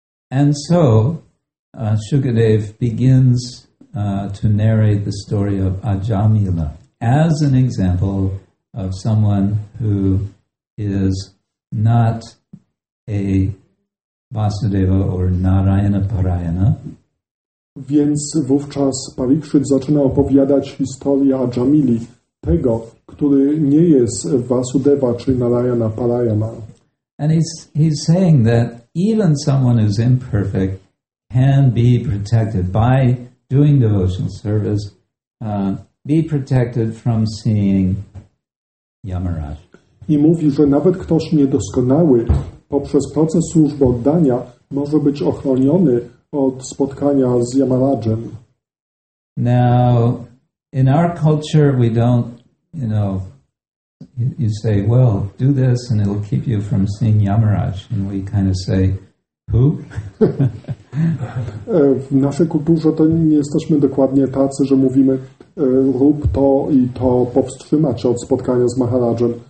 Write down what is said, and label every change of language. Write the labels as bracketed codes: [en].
[en] And so, Shukadev begins to narrate the story of Ajamila as an example of someone who is not a Vasudeva or Narayana Parayana. [pl] Więc wówczas Parikshit zaczyna opowiadać historię Ajamili, tego, który nie jest Vasudeva czy Narayana Parayana. [en] And he's saying that even someone who's imperfect can be protected by doing devotional service, be protected from seeing Yamaraj. [pl] I mówi, że nawet ktoś niedoskonały poprzez proces służby oddania może być ochroniony od spotkania z Yamarajem. [en] Now, in our culture we don't, you know, you say, well, do this and it'll keep you from seeing Yamaraj. And we kind of say, who? [pl] W naszej kulturze to nie jesteśmy dokładnie tacy, że mówimy rób to i to powstrzyma cię od spotkania z Maharajem.